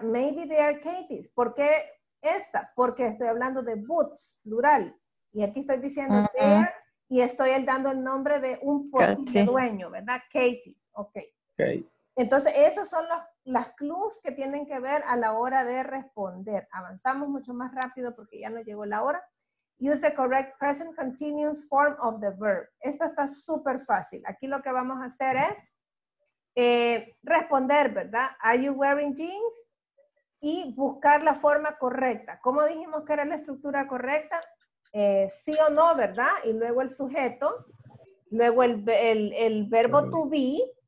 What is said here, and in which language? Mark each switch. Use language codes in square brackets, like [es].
[en] Maybe they are Katie's. [es] ¿Por qué esta? Porque estoy hablando de boots, plural. Y aquí estoy diciendo uh-huh. there, y estoy dando el nombre de un posible dueño, ¿verdad? Katie's. Okay. [en] Okay. [es] Entonces, esos son las clues que tienen que ver a la hora de responder. Avanzamos mucho más rápido porque ya no llegó la hora. [en] Use the correct present continuous form of the verb. [es] Esta está súper fácil. Aquí lo que vamos a hacer es responder, ¿verdad? [en] Are you wearing jeans? [es] Y buscar la forma correcta. ¿Cómo dijimos que era la estructura correcta? Sí o no, ¿verdad? Y luego el sujeto. Luego el verbo to be.